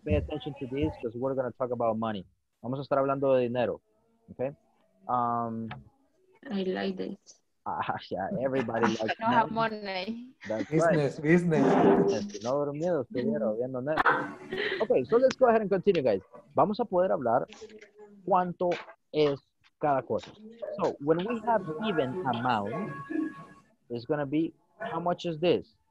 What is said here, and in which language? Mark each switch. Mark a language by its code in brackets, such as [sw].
[en] Pay attention to this because we're going to talk about money. [es] Vamos a estar hablando de dinero. Okay? [en] I like this. Yeah, everybody likes money. Have money. Business. Okay, so let's go ahead and continue, guys. [es] Vamos a poder hablar cuánto es cada cosa. [en] So, when we have even amount, it's going to be, how much is this?